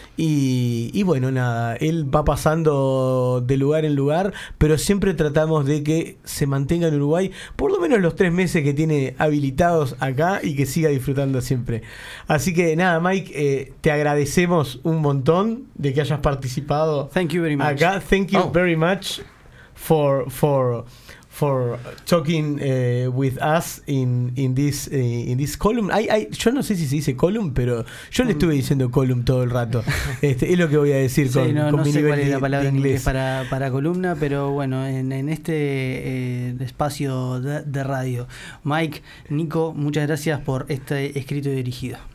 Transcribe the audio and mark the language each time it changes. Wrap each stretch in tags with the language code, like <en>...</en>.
<es>Y bueno, nada, él va pasando de lugar en lugar, pero siempre tratamos de que se mantenga en Uruguay por lo menos los 3 meses que tiene habilitados acá, y que siga disfrutando siempre. Así que nada, Mike, te agradecemos un montón de que hayas participado.</es> <en>Thank you very much. Acá, thank you very much for talking with us in this column.</en> <es>Yo no sé si se dice column, pero yo le estuve diciendo column todo el rato. Es lo que voy a decir con mi nivel de inglés. No sé cuál es la palabra en inglés para columna, pero bueno, en este espacio de radio. Mike, Nico, muchas gracias por este escrito y dirigido.</es>